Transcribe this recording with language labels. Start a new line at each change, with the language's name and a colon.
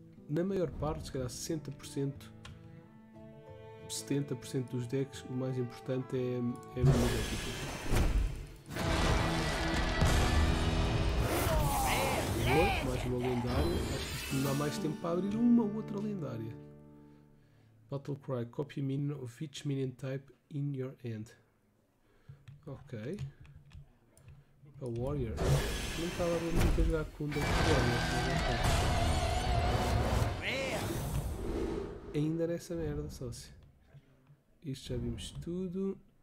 Portuguese: Na maior parte, se calhar 60%, 70% dos decks, o mais importante é a minha épica. Mais uma lendária. Acho que não há mais tempo para abrir uma outra lendária.
English: Battlecry, copy minion of each minion type in your hand.
Portuguese: Ok. A warrior. Não estava a nunca jogar com um deck de warrior. Ainda nessa merda, sócio. Isto já vimos tudo.